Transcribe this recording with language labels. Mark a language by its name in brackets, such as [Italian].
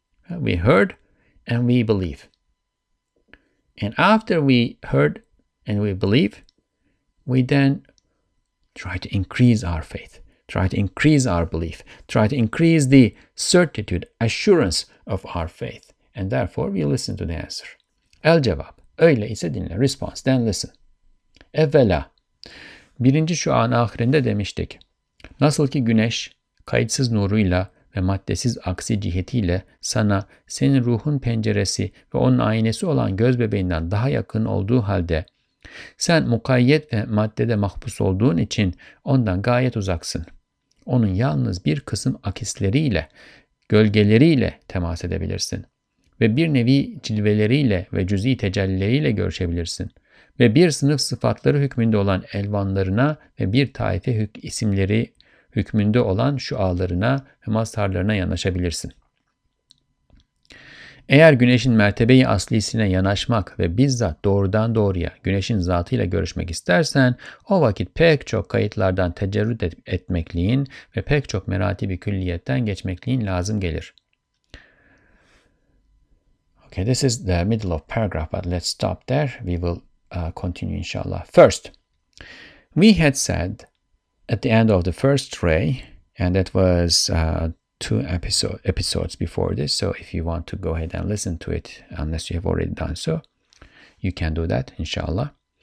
[English] We heard and we believe. And after we heard and we believe, we then try to increase our faith. Try to increase our belief, try to increase the certitude, assurance of our faith. And therefore, we listen to the answer. [Turkish] El-Cevab, öyle ise dinle. [English] Response, then listen. [Turkish] Evvela, birinci şuan ahirinde demiştik. Nasıl ki güneş, kayıtsız nuruyla ve maddesiz aksi cihetiyle sana senin ruhun penceresi ve onun aynesi olan göz bebeğinden daha yakın olduğu halde, sen mukayyet ve maddede mahpus olduğun için ondan gayet uzaksın. Onun yalnız bir kısım akisleriyle, gölgeleriyle temas edebilirsin. Ve bir nevi cilveleriyle ve cüz'i tecellileriyle görüşebilirsin. Ve bir sınıf sıfatları hükmünde olan elvanlarına ve bir taife isimleri hükmünde olan şualarına ve mazharlarına yanaşabilirsin. Eğer güneşin mertebeyi aslisine yanaşmak ve bizzat doğrudan doğruya güneşin zatıyla görüşmek istersen, o vakit pek çok kayıtlardan tecerrüt etmekliğin ve pek çok meratibi külliyetten geçmekliğin lazım gelir. [English] Okay, this is the middle of paragraph, but let's stop there. We will continue inshallah. First, we had said at the end of the first ray, and that was two episodes before this, so if you want to go ahead and listen to it, unless you have already done so, you can do that, inshallah.